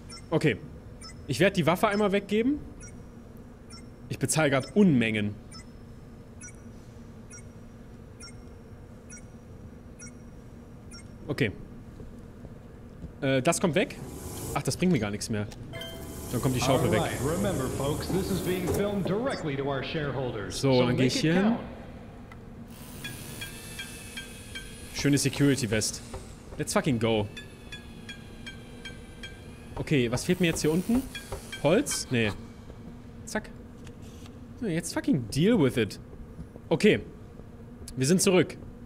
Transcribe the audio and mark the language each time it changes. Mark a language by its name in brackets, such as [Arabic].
[German] Okay. Ich werde die Waffe einmal weggeben. Ich bezahle gerade Unmengen. Okay. Das kommt weg. Ach, das bringt mir gar nichts mehr. Dann kommt die Schaufel weg. [English] Remember, folks, this is being filmed directly to our shareholders. [German] So, dann gehe ich hier hin. Schöne Security Vest. [English] Let's fucking go. [German] Okay, was fehlt mir jetzt hier unten? Holz? Nee. Zack. Jetzt [English] fucking deal with it. [German] Okay. Wir sind zurück.